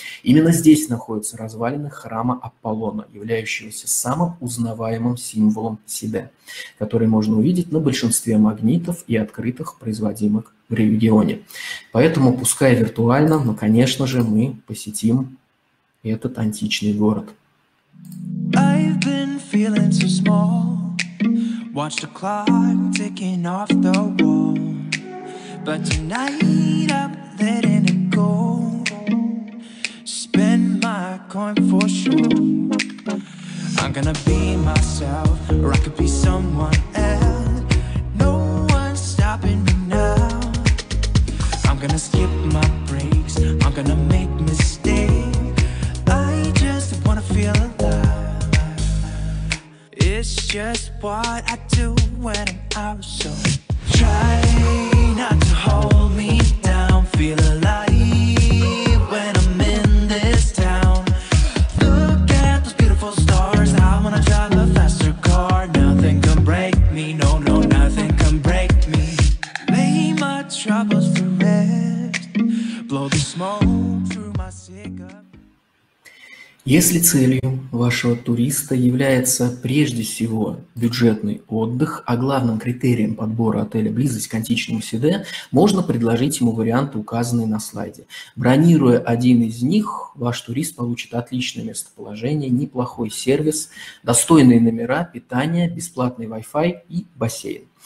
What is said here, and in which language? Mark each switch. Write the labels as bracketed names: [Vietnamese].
[Russian] Именно здесь находятся развалины храма Аполлона, являющегося самым узнаваемым символом Сиде, который можно увидеть на большинстве магнитов и открытых, производимых в регионе. Поэтому, пускай виртуально, но, конечно же, мы посетим этот античный город. [English] I've been feeling so small. Watch the clock ticking off the wall. But tonight I'm letting it go. Spend my coin for sure. I'm gonna be myself, or I could be someone else. No one's stopping me now. I'm gonna skip my breaks, I'm gonna make mistakes. I just wanna feel alive. It's just what I do when I'm out, so try not to hold me down, feel alive when I'm in this town. Look at those beautiful stars, I wanna drive a faster car. Nothing can break me, no, no, nothing can break me. Lay my troubles to rest, blow the smoke through my cigarette. [Russian] Если целью вашего туриста является прежде всего бюджетный отдых, а главным критерием подбора отеля – близость к античному Сиде, можно предложить ему варианты, указанные на слайде. Бронируя один из них, ваш турист получит отличное местоположение, неплохой сервис, достойные номера, питание, бесплатный Wi-Fi и бассейн.